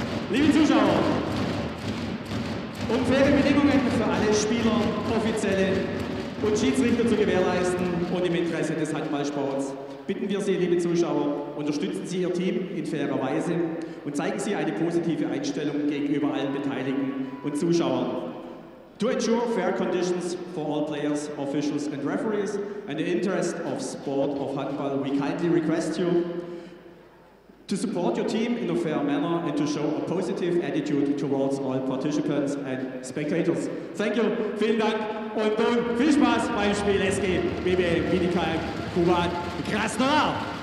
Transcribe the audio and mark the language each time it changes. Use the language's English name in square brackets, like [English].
[German] Liebe Zuschauer, um faire Bedingungen für alle Spieler, Offizielle und Schiedsrichter zu gewährleisten und im Interesse des Handballsports, bitten wir Sie, liebe Zuschauer, unterstützen Sie Ihr Team in fairer Weise und zeigen Sie eine positive Einstellung gegenüber allen Beteiligten und Zuschauern. [English] To ensure fair conditions for all players, officials and referees and the interest of sport of handball, we kindly request you to support your team in a fair manner and to show a positive attitude towards all participants and spectators. Thank you, [German] vielen Dank und nun viel Spaß beim Spiel SG BBL Bietigheim, Kuban, Krasnodar!